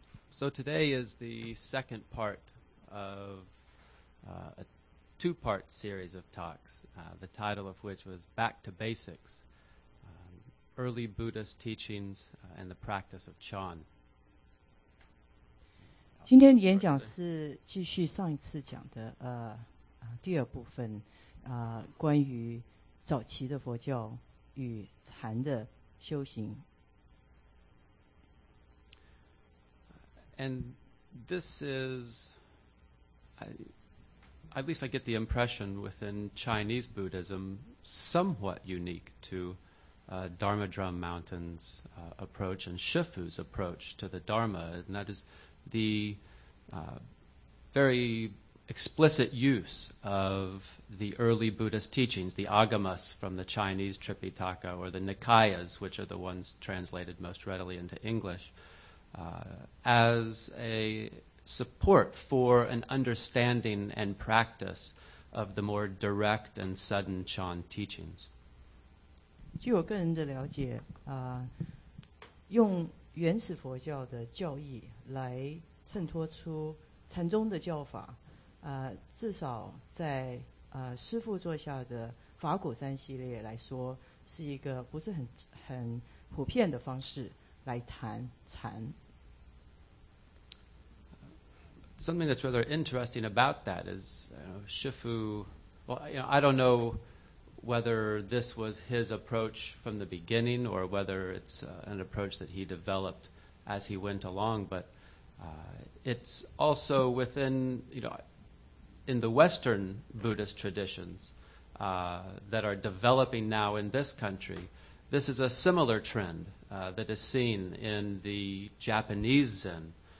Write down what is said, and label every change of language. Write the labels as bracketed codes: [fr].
[en] So today is the second part of a two-part series of talks, the title of which was Back to Basics, Early Buddhist Teachings and the Practice of Chan. [zh] 今天演讲是继续上一次讲的第二部分关于早期的佛教与禅的修行。 [en] And this is, at least I get the impression within Chinese Buddhism, somewhat unique to Dharma Drum Mountain's approach and Shifu's approach to the Dharma, and that is the very explicit use of the early Buddhist teachings, the Agamas from the Chinese Tripitaka or the Nikayas, which are the ones translated most readily into English. As a support for an understanding and practice of the more direct and sudden Chan teachings. [zh] 据我个人的了解，用原始佛教的教义来衬托出禅宗的教法，至少在师父座下的法鼓山系列来说，是一个不是很普遍的方式来谈禅。 [en] Something that's rather interesting about that is, Shifu, I don't know whether this was his approach from the beginning or whether it's an approach that he developed as he went along, but it's also within, in the Western Buddhist traditions that are developing now in this country, this is a similar trend that is seen in the Japanese Zen.